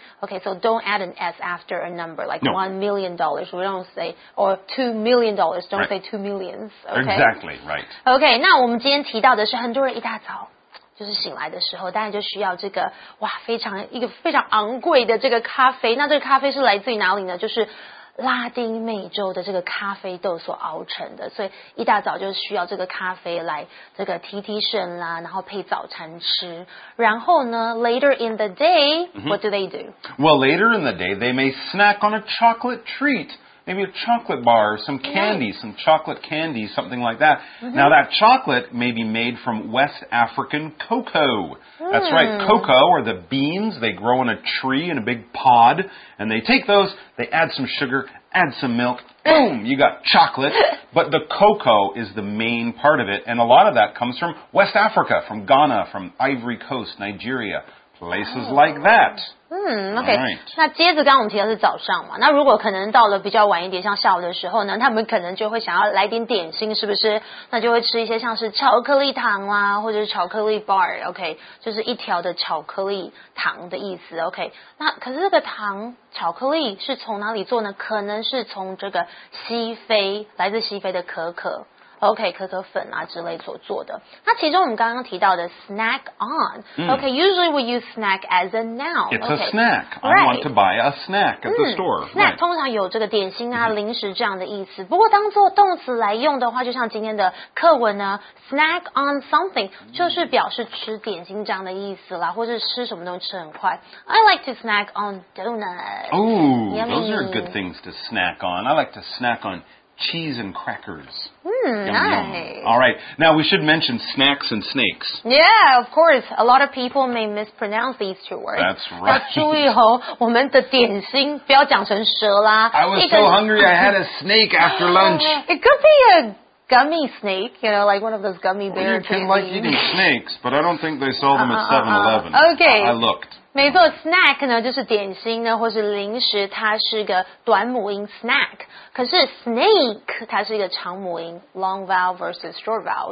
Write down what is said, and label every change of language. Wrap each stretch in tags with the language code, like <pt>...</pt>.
<en>OK, so don't add an S after a number, like no. $1 million, we don't say, or $2 million, don't right. say 2 millions, okay? Exactly, right.</en> <zh>OK, 那我们今天提到的是很多人一大早就是醒来的时候，当然就需要这个哇，非常一个非常昂贵的这个咖啡。那这个咖啡是来自于哪里呢？就是拉丁美洲的这个咖啡豆所熬成的，所以一大早就需要这个咖啡来这个提提神啦，然后配早餐吃。然后呢</zh> <en>，later in the day,、mm-hmm. what do they do? Well, later in the day, they may snack on a chocolate treat. Maybe a chocolate bar, some candy,、 right. some chocolate candy, something like that.、 Mm-hmm. Now, that chocolate may be made from West African cocoa.、 Mm. That's right. Cocoa are the beans. They grow in a tree in a big pod. And they take those, they add some sugar, add some milk. Boom! You got chocolate. But the cocoa is the main part of it. And a lot of that comes from West Africa, from Ghana, from Ivory Coast, Nigeria. Places like that. Okay. Right.</en> <zh>那接着刚刚我们提到是早上嘛。那如果可能到了比较晚一点，像下午的时候呢，他们可能就会想要来点点心，是不是？那就会吃一些像是巧克力糖啦，或者是巧克力 bar.</zh> <en>Okay.</en> <zh>就是一条的巧克力糖的意思。</zh> <en>Okay.</en> <zh>那可是这个糖巧克力是从哪里做呢？可能是从这个西非，来自西非的可可。 OK, 可可粉啊之类所做的。那其中我们刚刚提到的 snack on,、 mm.</zh> <en>OK, usually we use snack as a noun. It's okay, a snack. Right. I want to buy a snack at the store.</en> <zh>Snack、</zh> <en>right.</en> <zh>通常有这个点心啊、</zh> <en>mm-hmm.</en> <zh>零食这样的意思。不过当做动词来用的话，就像今天的课文呢 ,</zh> <en>snack on something,</en> <zh>就是表示吃点心这样的意思啦，或是吃什么东西吃很快。</zh> <en>I like to snack on donuts. Oh,、 Yummy. Those are good things to snack on. I like to snack onCheese and crackers. Nice. All right. Now, we should mention snacks and snakes. Yeah, of course. A lot of people may mispronounce these two words. That's right.</en> <zh>要注意哦，我们的点心不要讲成蛇啦。</zh> <en>I was so hungry, I had a snake after lunch. It could be a gummy snake, you know, like one of those gummy bears. Well, you can like eating snakes, but I don't think they sell them at 7-Eleven. Okay. I looked.</en> <zh>没错 ,snack 呢就是点心呢或是零食它是个短母音 snack, 可是 snake 它是一个长母音</zh> <en>long vowel versus short vowel.</en>